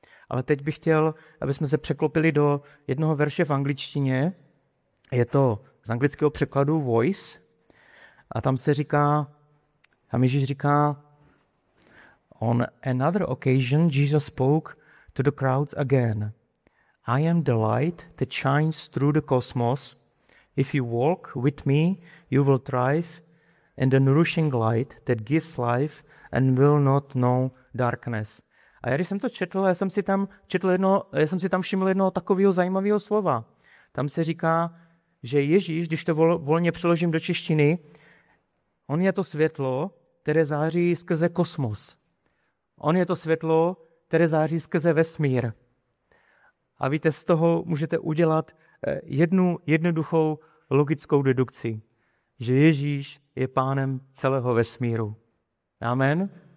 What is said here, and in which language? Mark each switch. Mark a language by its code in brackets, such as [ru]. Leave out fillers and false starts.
[cs] Ale teď bych chtěl, aby jsme se překlopili do jednoho verše v angličtině. Je to z anglického překladu voice. A tam se říká, a Ježíš říká, [en] on another occasion Jesus spoke to the crowds again. I am the light that shines through the cosmos. If you walk with me, you will thrive in the nourishing light that gives life and will not know darkness. [cs] A já, když jsem to četl, já jsem si tam všiml jednoho takového zajímavého slova. Tam se říká, že Ježíš, když to volně přeložím do češtiny, on je to světlo, které září skrze kosmos. On je to světlo, které září skrze vesmír. A víte, z toho můžete udělat jednu jednoduchou logickou dedukci, že Ježíš je pánem celého vesmíru. Amen.